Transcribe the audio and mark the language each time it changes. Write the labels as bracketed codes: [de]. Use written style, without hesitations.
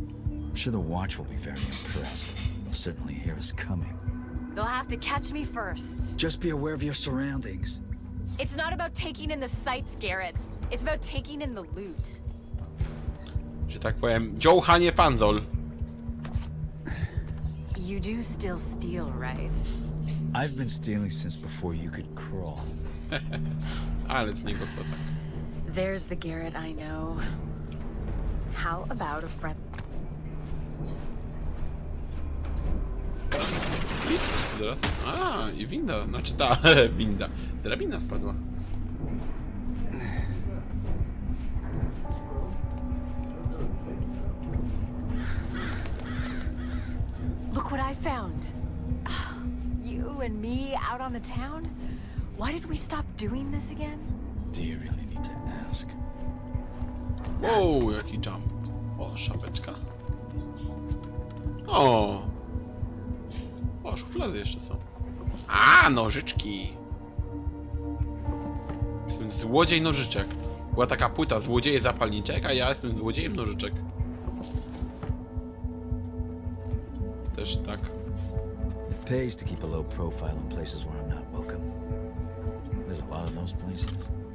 [en] I'm sure the watch will be very impressed. They'll certainly hear us coming. They'll have to catch me first. Just be aware of your surroundings. It's not about taking in the sights, Garrett. It's about taking in the loot. [pl] Że tak powiem, Johanie Fanzol. [en] You do still steal, right? I've been stealing since before you could crawl. [pl] Ale to nie go chodzi. [en] There's the Garrett I know. How about a friend? [pl] Zaraz. A, i winda. Znaczy ta winda. Drabina spadła. [en] Look what I found. You and me out on the town? Why did we stop doing this again? Do you really need to ask? [pl] Oh, jaki jump. O, szapeczka. O. O, szuflady jeszcze są. A, nożyczki. Jestem złodziej nożyczek. Była taka płyta, złodzieje zapalniczek, a ja jestem złodziejem nożyczek. Też tak. [en] It pays to keep a low profile in places where I'm not welcome. There's a lot of those places.